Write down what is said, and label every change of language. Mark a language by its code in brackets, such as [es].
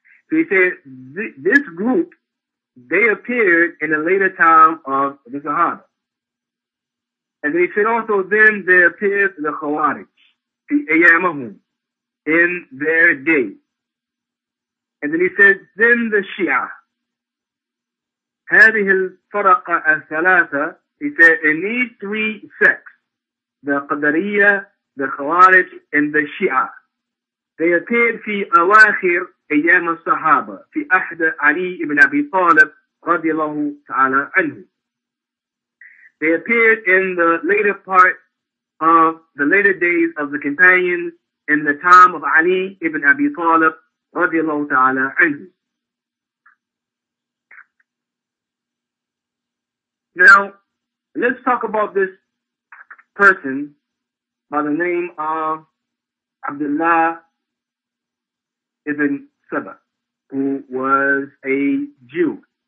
[en] So he said, this group, they appeared in the later time of the Sahaba. And then he said also, then there appeared the Khawarij, the Ayyamahum, in their day. And then he said, then the Shia. [ar] هذه الفرقة الثلاثة, [en] he said, in these three sects, the Qadariyya, the Khawarij, and the Shia, they appeared [ar] في أواخر أيام الصحابة في أحد علي بن أبي طالب رضي الله تعالى عنه. [en] They appeared in the later part of the later days of the companions in the time of Ali ibn Abi Talib radiallahu ta'ala anhu. Now, let's talk about this person by the name of Abdullah ibn Saba, who was a Jew.